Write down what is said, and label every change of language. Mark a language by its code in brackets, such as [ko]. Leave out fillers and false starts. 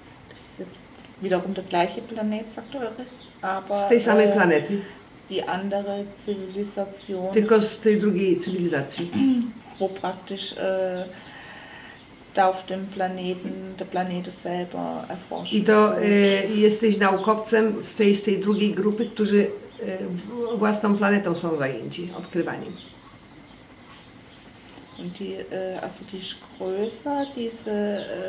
[de] Das ist jetzt wiederum der gleiche Planet, sagt Eures, aber... [pl] W tej samej planety. [de] Die andere Zivilisation. [pl] Tylko z tej drugiej Zivilisation. [de] Wo praktisch... auf dem Planeten, der Planet selber erforscht. [pl] I to jesteś naukowcem z tej drugiej grupy, którzy własną planetą są zajęci, odkrywaniem. [de] Und die, also die ist größer, diese...